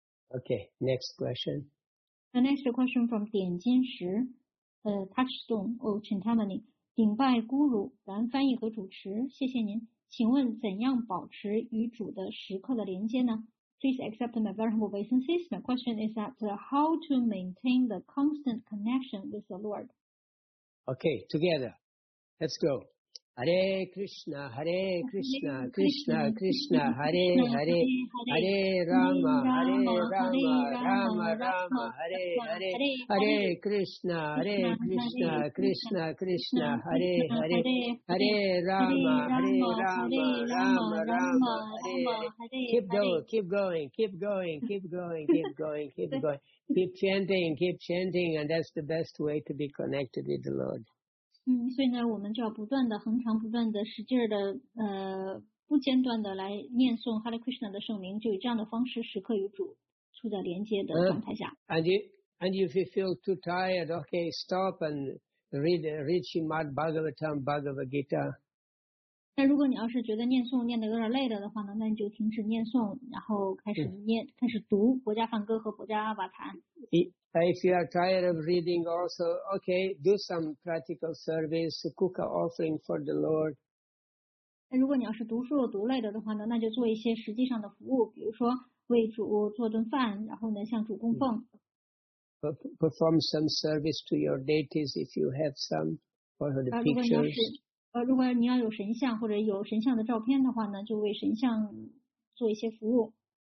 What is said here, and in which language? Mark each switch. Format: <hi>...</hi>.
<en>Okay, next question. The next question from</en> <zh>点金石Touchstone, 哦，请他们顶拜孤乳，咱翻译和主持，谢谢您。请问怎样保持与主的时刻的连接呢？</zh> <en>Please accept my very humble obeisances. The question is that how to maintain the constant connection with the Lord? Okay, together. Let's go.</en> <sa>Hare Krishna, Hare Krishna, Krishna Krishna, Hare Hare, Hare Rama, Hare Rama, Rama Rama, Hare Hare, Hare Krishna, Hare Krishna, Krishna Krishna, Hare Hare, Hare Rama, Hare Rama, Rama Rama, Hare Hare.</sa> <en>Keep going, keep going, keep going, keep going, keep going, keep going, keep chanting, and that's the best way to be connected with the Lord.</en> <zh>所以呢，我们就要不断的、恒常不断的、使劲的、不间断的来念诵 Hare Krishna 的圣名，就以这样的方式时刻与主处在连接的状态下。</zh> <en>And if you feel too tired, okay, stop and read Srimad Bhagavatam, Bhagavad Gita.</en> <zh>但如果你要是觉得念诵念得有点累了的话呢，那你就停止念诵，然后开始念、开始读《国家梵歌》和《国家阿瓦坛》。</zh> <en>If you are tired of reading also, okay, do some practical service, cook an offering for the Lord.</en> <zh>如果你要是读书读累了的话呢，那就做一些实际上的服务，比如说为主做顿饭，然后呢向主供奉。</zh> <en>Perform some service to your deities if you have some, or the pictures.</en> <zh>如果你要有神像或者有神像的照片的话呢，就为神像做一些服务。</zh>